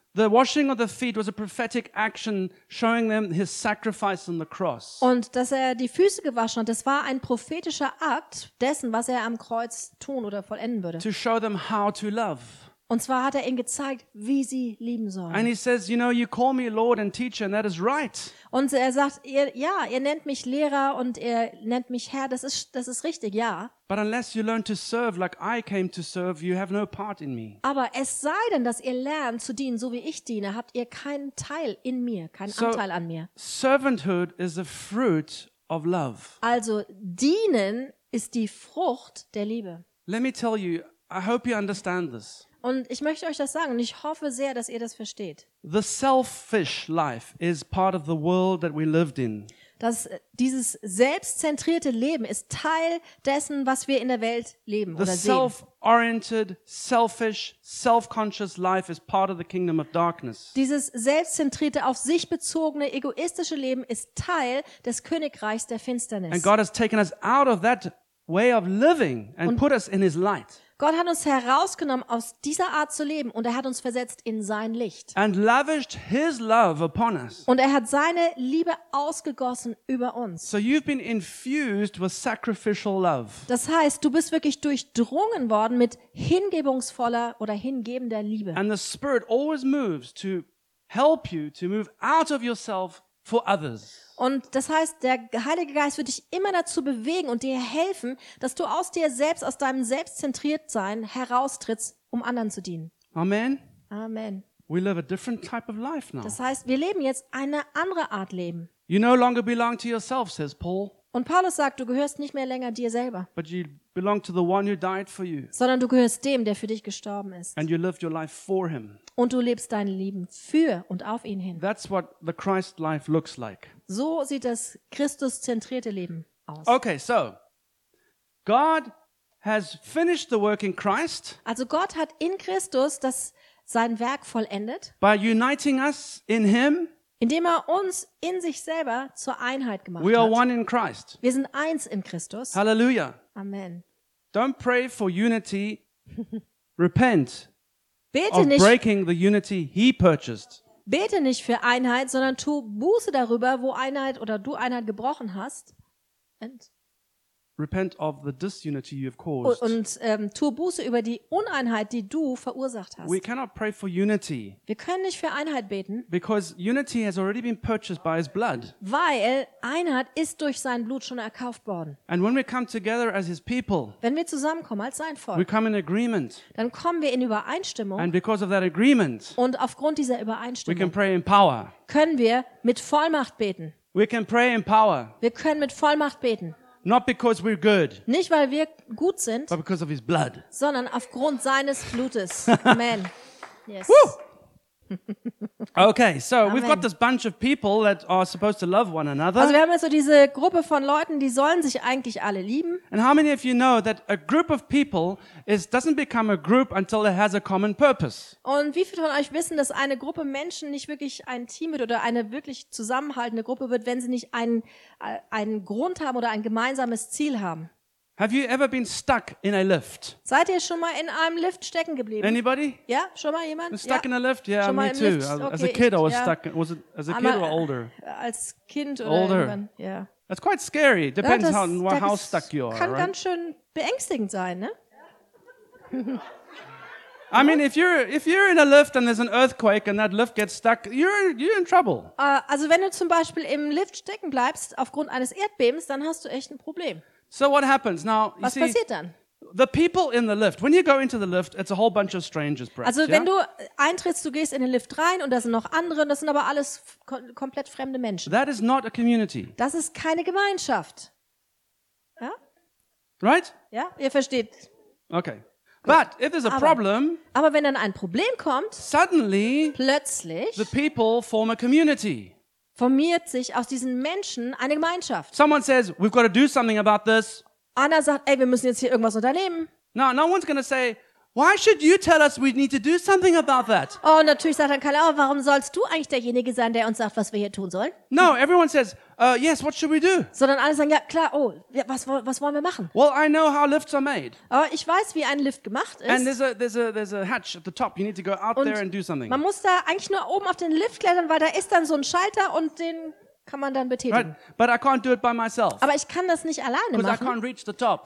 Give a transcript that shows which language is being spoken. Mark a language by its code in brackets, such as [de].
[en] The washing of the feet was a prophetic action showing them his sacrifice on the cross. [de] Und dass er die Füße gewaschen hat, das war ein prophetischer Akt dessen, was er am Kreuz tun oder vollenden würde. [en] To show them how to love. [de] Und zwar hat er ihnen gezeigt, wie sie lieben sollen. [en] And he says, you know, you call me Lord and teacher, and that is right. [de] Und er sagt, ihr nennt mich Lehrer und ihr nennt mich Herr, das ist richtig, ja. [en] But unless you learn to serve like I came to serve, you have no part in me. [de] Aber es sei denn, dass ihr lernt zu dienen, so wie ich diene, habt ihr keinen Teil in mir, keinen Anteil an mir. [en] So servanthood is a fruit of love. [de] Also dienen ist die Frucht der Liebe. [en] Let me tell you, I hope you understand this. [de] Und ich möchte euch das sagen und ich hoffe sehr, dass ihr das versteht. [en] The selfish life is part of the world that we lived in. [de] Dass dieses selbstzentrierte Leben ist Teil dessen, was wir in der Welt leben [en] the [de] oder sehen. [en] The self-oriented, selfish, self-conscious life is part of the kingdom of darkness. [de] Dieses selbstzentrierte, auf sich bezogene, egoistische Leben ist Teil des Königreichs der Finsternis. [en] And God has taken us out of that way of living and put us in his light. [de] Gott hat uns herausgenommen aus dieser Art zu leben und er hat uns versetzt in sein Licht. [en] And lavished his love upon us. [de] Und er hat seine Liebe ausgegossen über uns. [en] So you've been infused with sacrificial love. [de] Das heißt, du bist wirklich durchdrungen worden mit hingebungsvoller oder hingebender Liebe. [en] And the Spirit always moves to help you to move out of yourself for others. [de] Und das heißt, der Heilige Geist wird dich immer dazu bewegen und dir helfen, dass du aus dir selbst, aus deinem Selbstzentriertsein heraustrittst, um anderen zu dienen. [en] Amen. [de] Amen. [en] We live a different type of life now. [de] Das heißt, wir leben jetzt eine andere Art Leben. [en] You no longer belong to yourself, says Paul. [de] Und Paulus sagt, du gehörst nicht mehr länger dir selber. [en] But you belong to the one who died for you. [de] Sondern du gehörst dem, der für dich gestorben ist. [en] And you live your life for him. [de] Und du lebst dein Leben für und auf ihn hin. [en] That's what the Christ life looks like. [de] So sieht das Christus-zentrierte Leben aus. [en] Okay, so God has finished the work in Christ. [de] Also Gott hat in Christus sein Werk vollendet. [en] By uniting us in him. [de] Indem er uns in sich selber zur Einheit gemacht hat. [en] We are one in Christ. [de] Wir sind eins in Christus. Halleluja. Amen. [en] Don't pray for unity. Repent. [de] Bete [en] of [de] nicht. [en] Breaking the unity he purchased. [de] Bete nicht für Einheit, sondern tu Buße darüber, wo Einheit oder du Einheit gebrochen hast. [en] Repent of the disunity you have caused. [de] Tu Buße über die Uneinheit, die du verursacht hast. [en] We cannot pray for unity. [de] Wir können nicht für Einheit beten. [en] Because unity has already been purchased by his blood. [de] Weil Einheit ist durch sein Blut schon erkauft worden. [en] And when we come together as his people. [de] Wenn wir zusammenkommen als sein Volk. [en] We come in agreement. [de] Dann kommen wir in Übereinstimmung. [en] And because of that agreement. [de] Und aufgrund dieser Übereinstimmung. [en] We can pray in power. [de] Können wir mit Vollmacht beten. [en] We can pray in power. [de] Wir können mit Vollmacht beten. [en] Not because we're good. [de] Nicht weil wir gut sind. [en] But because of his blood. [de] Sondern aufgrund seines Blutes. Amen. [en] Yes. Woo! Okay, so Amen. We've got this bunch of people that are supposed to love one another. [de] Also wir haben jetzt so diese Gruppe von Leuten, die sollen sich eigentlich alle lieben. [en] And how many of you know that a group of people doesn't become a group until it has a common purpose? [de] Und wie viele von euch wissen, dass eine Gruppe Menschen nicht wirklich ein Team wird oder eine wirklich zusammenhaltende Gruppe wird, wenn sie nicht einen Grund haben oder ein gemeinsames Ziel haben? [en] Have you ever been stuck in a lift? [de] Seid ihr schon mal in einem Lift stecken geblieben? [en] Anybody? [de] Ja, schon mal jemand? [en] Stuck In a lift? Yeah, me too. Okay, as a kid I was stuck. Was it as a kid or older? [de] Als Kind oder [en] older. [de] Irgendwann, ja. [en] That's quite scary. Depends [de] ja, das, [en] on how stuck you are, [de] kann [en] right? [de] Ganz schön beängstigend sein, ne? [en] I mean, if you're in a lift and there's an earthquake and that lift gets stuck, you're in trouble. [de] Also wenn du zum Beispiel im Lift stecken bleibst aufgrund eines Erdbebens, dann hast du echt ein Problem. [en] So what happens now? [de] You was see, passiert dann? [en] The people in the lift. When you go into the lift, it's a whole bunch of strangers, Brett. [de] Also wenn du eintrittst, du gehst in den Lift rein und da sind noch andere und das sind aber alles komplett fremde Menschen. [en] That is not a community. [de] Das ist keine Gemeinschaft. Ja? [en] Right? [de] Ja, ihr versteht. [en] Okay. But if there's a problem, [de] aber wenn dann ein Problem kommt, [en] suddenly [de] plötzlich [en] the people form a community. [de] Formiert sich aus diesen Menschen eine Gemeinschaft. [en] Someone says, we've got to do something about this. [de] Anna sagt, ey, wir müssen jetzt hier irgendwas unternehmen. [en] No one's gonna say, why should you tell us we need to do something about that? [de] Oh, natürlich sagt dann keiner, warum sollst du eigentlich derjenige sein, der uns sagt, was wir hier tun sollen? [en] No, everyone says, yes, what should we do? [de] Sondern alle sagen, ja, klar, oh, was wollen wir machen? [en] Well, I know how lifts are made. [de] Aber ich weiß, wie ein Lift gemacht ist. [en] And there's a hatch at the top. You need to go out [de] und [en] there and do something. [de] Man muss da eigentlich nur oben auf den Lift klettern, weil da ist dann so ein Schalter und den kann man dann betätigen. [en] Right. But I can't do it by myself. [de] Aber ich kann das nicht alleine machen. [en] Because I can't reach the top.